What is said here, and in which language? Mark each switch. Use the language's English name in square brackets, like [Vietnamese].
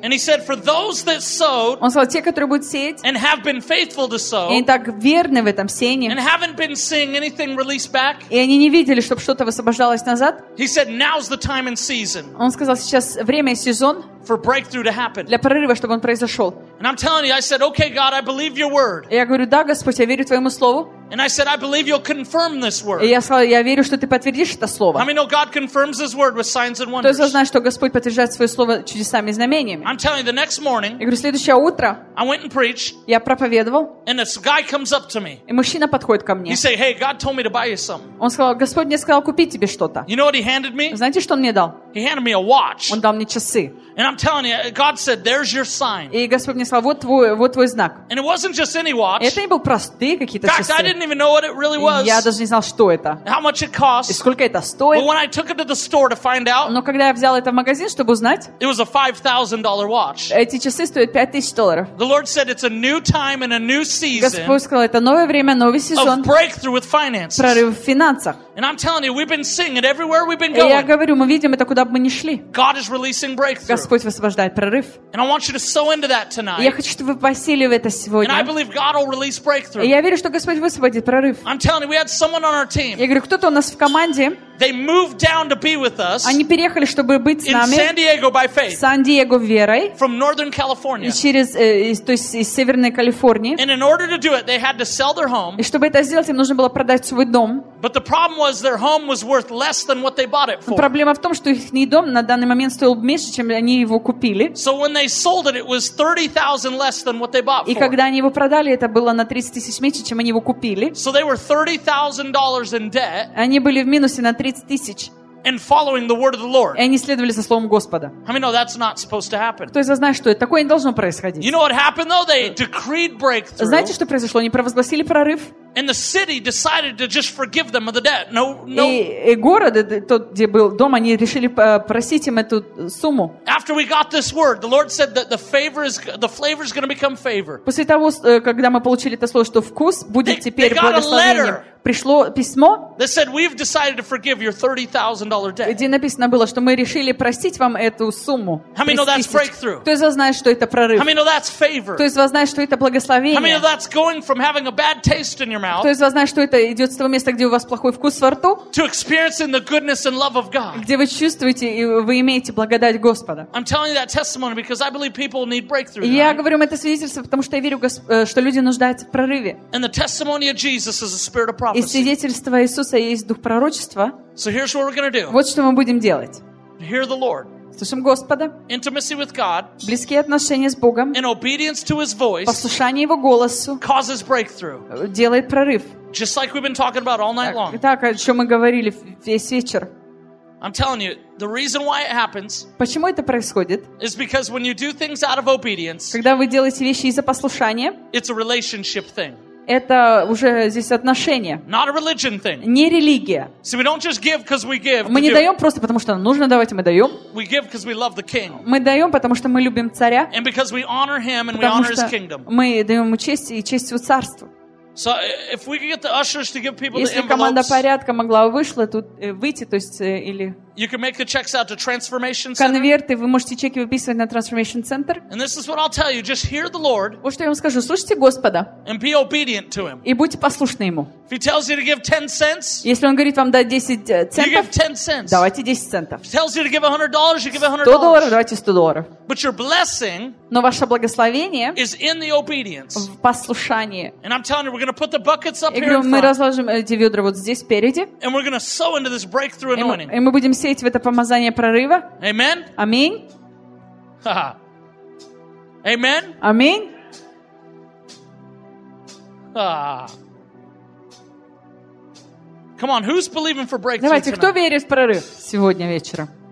[English] And he said, for those that sowed, [Russian] он сказал, те, которые будут сеять, [English] and have been faithful to sow, [Russian] и они так верны в этом сеянии, [English] and haven't been seeing anything released back, [Russian] и они не видели, чтобы что-то высвобождалось назад, [English] he said, now's the time and season, [Russian] он сказал, сейчас время и сезон [English] for breakthrough to happen. [Russian] Для прорыва, чтобы он произошел. [English] And I'm telling you, I said, okay, God, I believe your word. [Russian] Я говорю, да, Господь, я верю твоему слову. [English] And I said, I believe you'll confirm this word. [Russian] И я сказал, я верю, что ты подтвердишь это слово. [English] How many know God confirms His word with signs and wonders? [Russian] Кто знает, что Господь подтверждает свое слово чудесами и знамениями? [English] I'm telling you, the next morning. [Russian] Я говорю, следующее утро. [English] I went and preached. [Russian] Я проповедовал. [English] And a guy comes up to me. [Russian] И мужчина подходит ко мне. [English] He said, hey, God told me to buy you some. [Russian] Он сказал, Господь мне сказал купить тебе что-то. [English] You know what He handed me? [Russian] Знаете, что Он мне дал? [English] He handed me a watch. [Russian] Он дал мне часы. [English] And I'm telling you, God said, there's your sign. [Russian] И Господь мне сказал, вот твой знак. [English] And it wasn't just any watch. [Russian] И это не был простые какие-то часы. [English] I didn't even know what it really was. [Russian] Я даже не знал, что это. [English] How much it cost? [Russian] И сколько это стоит? [English] But when I took it to the store to find out. [Russian] Но когда я взял это в магазин, чтобы узнать. [English] It was a $5,000 watch. [Russian] Эти часы стоят $5,000. [English] The Lord said it's a new time and a new season. [Russian] Господь сказал, это новое время, новый сезон. [English] Of breakthrough with finances. [Russian] Прорыв в финансах. [English] And I'm telling you, we've been seeing it everywhere we've been going. [Russian] И я говорю, мы видим это куда бы мы ни шли. [English] God is releasing breakthrough. [Russian] Господь высвобождает прорыв. [English] And I want you to sow into that tonight. [Russian] Я хочу, чтобы вы посеяли в это сегодня. [English] And I believe God will release breakthrough. [Russian] И я верю, что Господь высвободит прорыв. [English] I'm telling you, we had someone on our team. [Russian] Я говорю, кто-то у нас в команде. [English] They moved down to be with us. [Russian] Они переехали, чтобы быть с нами. [English] In San Diego by faith. [Russian] San Diego верой. [English] From Northern California. [Russian] И через, то есть из Северной Калифорнии. [English] And in order to do it, they had to sell their home. [Russian] И чтобы это сделать, им нужно было продать свой дом. [English] But the problem was their home was worth less than what they bought it for. [Russian] Проблема в том, что их дом на данный момент стоил меньше, чем они его купили. [English] So when they sold it, it was 30,000 less than what they bought for. [Russian] И когда они его продали, это было на 30,000 меньше, чем они его купили. [English] So they were $30,000 in debt. [Russian] Они были в минусе на 30,000. [English] And following the word of the Lord. [Russian] И они следовали за словом Господа. [English] I mean, no, that's not supposed to happen. [Russian] Кто из вас знает, что это такое не должно происходить? [English] You know what happened though? They decreed breakthrough. [Russian] Знаете, что произошло? Они провозгласили прорыв. [English] And the city decided to just forgive them of the debt. No, no. [Russian] И город, тот, где был дом, они решили простить им эту сумму. [English] After we got this word, the Lord said that the flavor is going to become favor. [Russian] После того, когда мы получили это слово, что вкус будет теперь благословением, пришло письмо. [English] They said we've decided to forgive your $30,000 debt. [Russian] Где написано было, что мы решили простить вам эту сумму. [English] How many know that's breakthrough? [Russian] Кто из вас знает, что это прорыв? [English] How many know that's favor? [Russian] Кто из вас знает, что это благословение? [English] How many know that's going from having a bad taste in your mouth. [Russian] Кто из вас знает, что это идет с того места, где у вас плохой вкус во рту? [English] To experiencing the goodness and love of God. [Russian] Где вы чувствуете и вы имеете благодать Господа. [English] I'm telling you that testimony because I believe people need breakthrough. [Russian] Я говорю это свидетельство, потому что я верю, что люди нуждаются в прорыве. [English] And the testimony of Jesus is a spirit of prophecy. [Russian] И свидетельство Иисуса есть дух пророчества. [English] So here's what we're going to do. [Russian] Вот что мы будем делать. [English] Hear the Lord. [Russian] Слушаем Господа. [English] Intimacy with God. [Russian] Близкие отношения с Богом. [English] And obedience to His voice. [Russian] Послушание Его голосу. [English] Causes breakthrough. [Russian] Делает прорыв. [English] Just like we've been talking about all night long. [Russian] Так, о чем мы говорили весь вечер. [English] I'm telling you, the reason why it happens. [Russian] Почему это происходит? [English] Is because when you do things out of obedience. [Russian] Когда вы делаете вещи из-за послушания. [English] It's a relationship thing. [Russian] Это уже здесь отношение. [English] Not a religion thing. [Russian] Не религия. [English] So we don't just give 'cause we give. [Russian] Мы не даем просто потому, что нам нужно давать, мы даем. [English] We give 'cause we love the king. [Russian] Мы даем, потому что мы любим царя. [English] And because we honor him and we honor his kingdom. [Russian] Мы даем ему честь и честь его царству. [English] So if we could get the ushers to give people the [Russian] envelopes. Если команда порядка могла вышла тут выйти, то есть или [English] You can make the checks out to Transformation Center. [Russian] Конверты вы можете чеки выписывать на Transformation Center. [English] And this is what I'll tell you, just hear the Lord. [Russian] Вот что я вам скажу, слушайте Господа. [English] And be obedient to him. [Russian] И будьте послушны ему. [English] If he tells you to give 10 cents. [Russian] Если он говорит вам дать 10 центов. [English] You give 10 cents. [Russian] Давайте 10 центов. [English] If he tells you to give $100, you give $100. [Russian] $100, давайте $100. [English] But your blessing. [Russian] Но ваше благословение [English] is in the obedience. [Russian] В послушании. [English] And I'm telling you, we're going to put the buckets up [Russian] here. И говорю, мы разложим эти ведра вот здесь впереди. [English] And we're going to sow into this breakthrough anointing. [Russian] И мы будем сеять в это помазание прорыва. Аминь. Аминь. Аминь. Аминь. [English] Come on, who's believing for breakthrough? [Russian] Давайте, кто верит в прорыв сегодня вечером?